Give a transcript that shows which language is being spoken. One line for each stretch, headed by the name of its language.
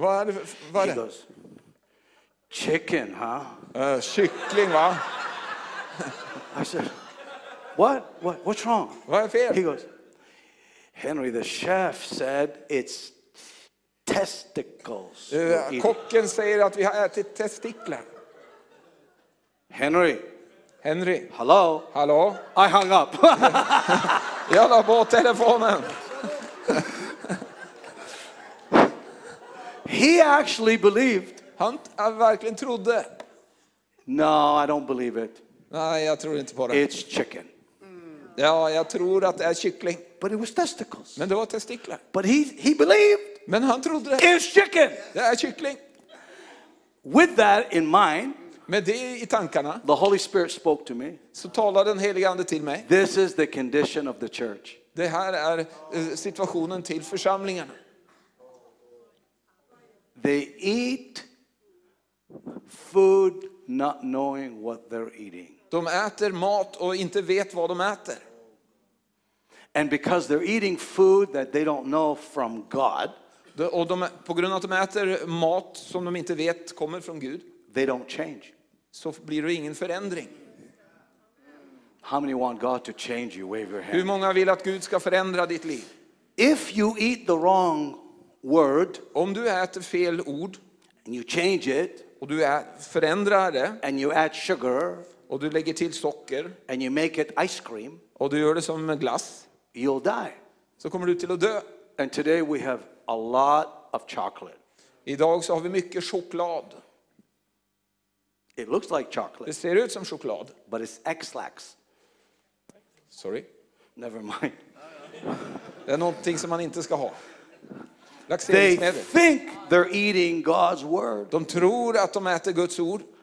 Swedish: Vad är det?
English: He goes, chicken, huh?
Swedish: Kyckling, va?
English: I said, what? What's wrong?
Swedish: Vad är fel?
English: He goes, Henry, the chef said it's testicles.
Swedish: Kocken säger att vi har ätit testiklar.
English: Henry. Hello. Hallå. I hung up.
Swedish: Jag la på telefonen.
English: He actually believed.
Swedish: Han verkligen trodde.
English: No, I don't believe it.
Swedish: Nej, jag tror inte på det.
English: It's chicken.
Swedish: Ja, jag tror att det är kyckling.
English: But it was testicles.
Swedish: Men det var testiklar.
English: But he believed.
Swedish: Men han trodde.
English: It's chicken.
Swedish: Det är kyckling.
English: With that in mind.
Swedish: Med det i tankarna.
English: The Holy Spirit spoke to me.
Swedish: Så talade den helige ande till mig.
English: This is the condition of the church.
Swedish: Det här är situationen till församlingarna.
English: They eat food not knowing what they're eating.
Swedish: De äter mat och inte vet vad de äter.
English: And because they're eating food that they don't know from God.
Swedish: Och de på grund av att de äter mat som de inte vet kommer från Gud.
English: They don't change.
Swedish: Så blir det ingen förändring.
English: How many want God to change you? Wave your hand.
Swedish: Hur många vill att Gud ska förändra ditt liv?
English: If you eat the wrong word,
Swedish: om du äter fel ord,
English: and you change it,
Swedish: Och du förändrar det.
English: And you add sugar.
Swedish: Och du lägger till socker.
English: And you make it ice cream.
Swedish: Och du gör det som en glass.
English: You'll die.
Swedish: Så kommer du till att dö.
English: And today we have a lot of chocolate.
Swedish: Idag så har vi mycket choklad.
English: It looks like chocolate.
Swedish: Det ser ut som choklad.
English: But it's X-lax. Sorry. Never mind.
Swedish: Det är någonting som man inte ska ha.
English: They think they're eating God's word.
Swedish: De tror att de äter Guds ord.